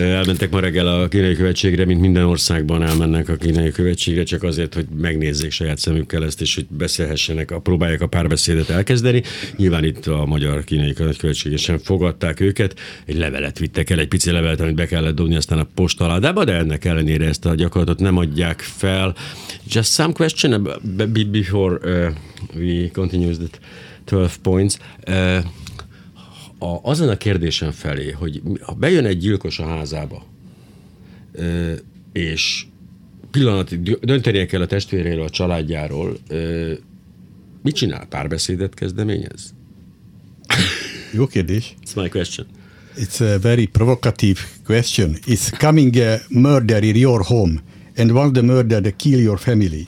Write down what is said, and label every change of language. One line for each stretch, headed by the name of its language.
Hungarian: Elmentek ma reggel a kínai követségre, mint minden országban elmennek a kínai követségre, csak azért, hogy megnézzék saját szemükkel ezt, és hogy beszélhessenek, próbálják a párbeszédet elkezdeni. Nyilván itt a magyar kínai követségre sem fogadták őket. Egy levelet vittek el, egy pici levelet, amit be kellett dobni aztán a postaládába, de ennek ellenére ezt a gyakorlatot nem adják fel.
English: Just some question before we continue the 12 points.
Hungarian: Azon a kérdésen felé, hogy ha bejön egy gyilkos a házába, és pillanatig döntenie kell a testvéréről, a családjáról, mit csinál? Párbeszédet kezdeményez? Jó kérdés.
English: It's my question. It's a very provocative question. It's coming a murder in your home, and one of the murder to kill your family.